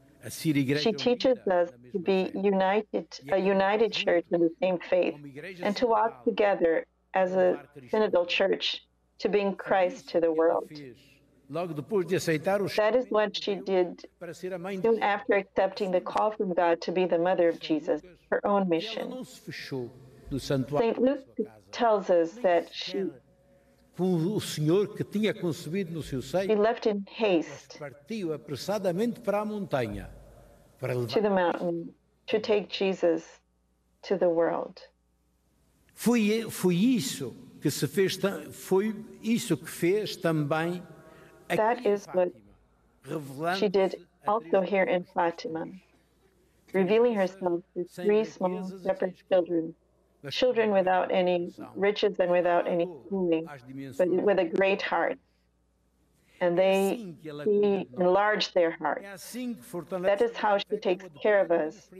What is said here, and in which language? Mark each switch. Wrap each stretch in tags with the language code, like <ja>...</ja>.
<en>She teaches us to be united, a united church in the same faith, and to walk together as a synodal church to bring Christ to the world. That is what she did soon after accepting the call from God to be the mother of Jesus, her own mission. St. Luke tells us that she,</en> <pt>o Senhor que tinha concebido no seu seio,</pt> <en>she left in haste,</en> <pt>partiu apressadamente para a montanha, para levar</pt> <en>to the mountain, to take Jesus to the world.</en> <pt>Foi isso que se fez, foi isso que fez também.</pt> <en>That is what she did also here in Fatima, revealing herself to three small separate children, children without any riches and without any schooling, but with a great heart. And they enlarge their heart. That is how she takes care of us.</en>